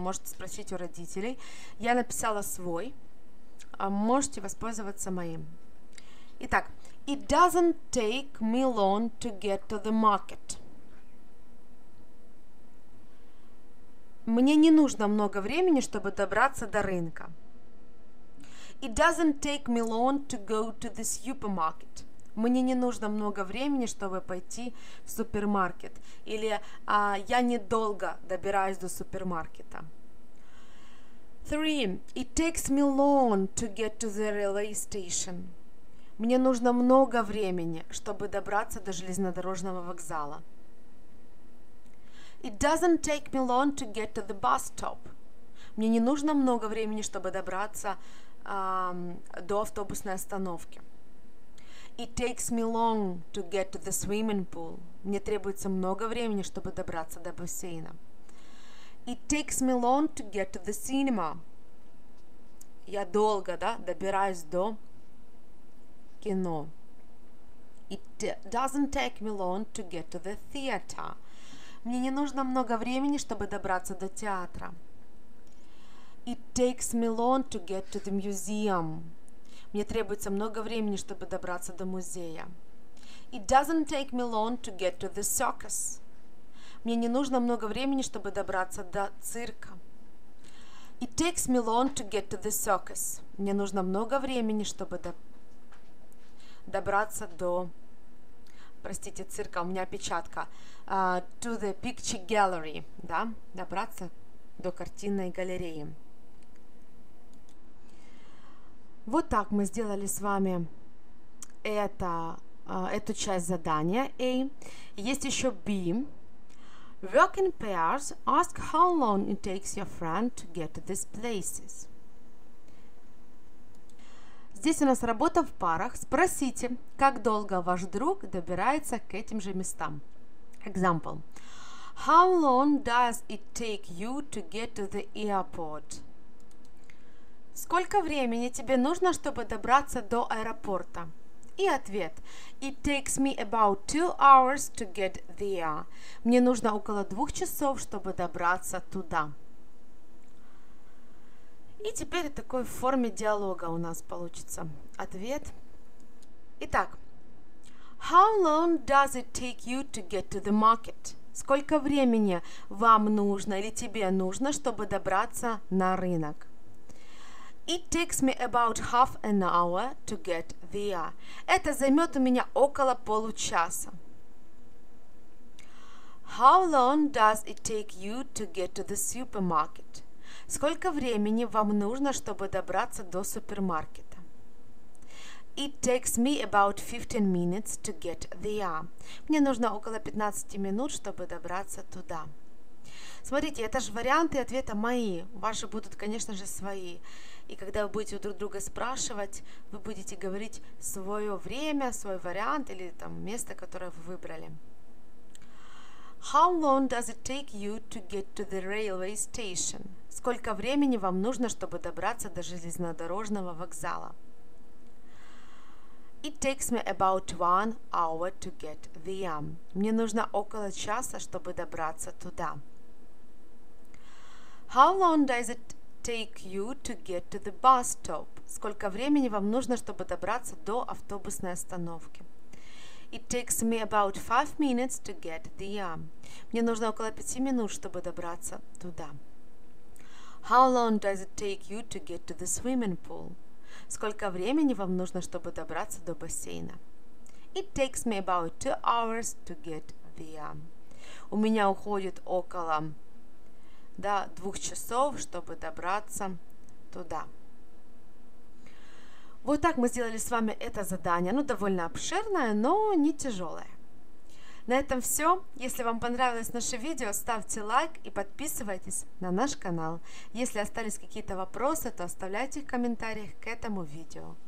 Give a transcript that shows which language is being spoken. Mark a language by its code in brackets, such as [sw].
[ru] Можете спросить у родителей. Я написала свой. Можете воспользоваться моим. [en] Итак, it doesn't take me long to get to the market. [ru] Мне не нужно много времени, чтобы добраться до рынка. [en] It doesn't take me long to go to the supermarket. [ru] Мне не нужно много времени, чтобы пойти в супермаркет. Или я недолго добираюсь до супермаркета. 3. [en] It takes me long to get to the railway station. [ru] Мне нужно много времени, чтобы добраться до железнодорожного вокзала. [en] It doesn't take me long to get to the bus stop. [ru] Мне не нужно много времени, чтобы добраться до автобусной остановки. [en] It takes me long to get to the swimming pool. [ru] Мне требуется много времени, чтобы добраться до бассейна. [en] It takes me long to get to the cinema. [ru] Я долго, да, добираюсь до кино. [en] It doesn't take me long to get to the theater. [ru] Мне не нужно много времени, чтобы добраться до театра. [en] It takes me long to get to the museum. [ru] Мне требуется много времени, чтобы добраться до музея. [en] It doesn't take me long to get to the circus. [ru] Мне не нужно много времени, чтобы добраться до цирка. [en] It takes me long to get to the circus. [ru] Мне нужно много времени, чтобы добраться до, простите, цирка, у меня опечатка, [en] to the picture gallery, [ru] да, добраться до картинной галереи. Вот так мы сделали с вами эту часть задания A. Есть еще B. [en] Work in pairs. Ask how long it takes your friend to get to these places. [ru] Здесь у нас работа в парах. Спросите, как долго ваш друг добирается к этим же местам. [en] Example. How long does it take you to get to the airport? [ru] Сколько времени тебе нужно, чтобы добраться до аэропорта? И ответ. [en] It takes me about 2 hours to get there. [ru] Мне нужно около 2 часов, чтобы добраться туда. И теперь такой в форме диалога у нас получится. Ответ. Итак. [en] How long does it take you to get to the market? [ru] Сколько времени вам нужно или тебе нужно, чтобы добраться на рынок? [en] It takes me about half an hour to get there. [ru] Это займет у меня около получаса. [en] How long does it take you to get to the supermarket? [ru] Сколько времени вам нужно, чтобы добраться до супермаркета? [en] It takes me about 15 minutes to get there. [ru] Мне нужно около 15 минут, чтобы добраться туда. Смотрите, это же варианты ответа мои. Ваши будут, конечно же, свои. И когда вы будете друг друга спрашивать, вы будете говорить свое время, свой вариант или там место, которое вы выбрали. [en] How long does it take you to get to the railway station? [ru] Сколько времени вам нужно, чтобы добраться до железнодорожного вокзала? [en] It takes me about 1 hour to get there. [ru] Мне нужно около часа, чтобы добраться туда. [en] How long does it take you to get to the bus stop? [ru] Сколько времени вам нужно, чтобы добраться до автобусной остановки? [en] It takes me about 5 minutes to get there. [ru] Мне нужно около 5 минут, чтобы добраться туда. [en] How long does it take you to get to the swimming pool? [ru] Сколько времени вам нужно, чтобы добраться до бассейна? [en] It takes me about 2 hours to get there. [ru] У меня уходит около 2 часов, чтобы добраться туда. Вот так мы сделали с вами это задание. Оно довольно обширное, но не тяжелое. На этом все. Если вам понравилось наше видео, ставьте лайк и подписывайтесь на наш канал. Если остались какие-то вопросы, то оставляйте их в комментариях к этому видео.